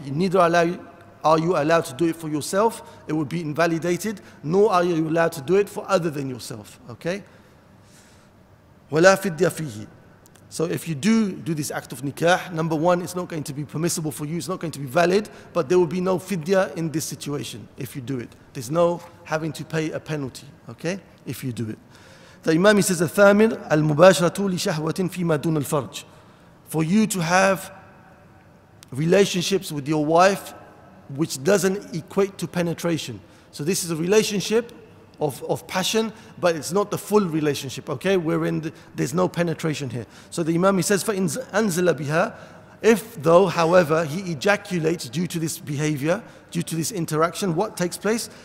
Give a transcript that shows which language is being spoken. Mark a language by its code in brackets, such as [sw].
[en] Neither are you allowed to do it for yourself, it would be invalidated, nor are you allowed to do it for other than yourself, okay? [ar] وَلَا فِدِّيَ فِيهِ. [en] So if you do this act of nikah, number one, it's not going to be permissible for you, it's not going to be valid, but there will be no fidya in this situation if you do it. There's no having to pay a penalty, okay, if you do it. The Imam says, [ar] الثامن المباشرة لشهوة فيما دون الفرج. [en] For you to have relationships with your wife which doesn't equate to penetration. So this is a relationship of passion, but it's not the full relationship, okay? Wherein there's no penetration here. So the Imam, he says, [ar] فَإِنْ أَنْزَلَ بِهَا, [en] if though, however, he ejaculates due to this behavior, due to this interaction, what takes place?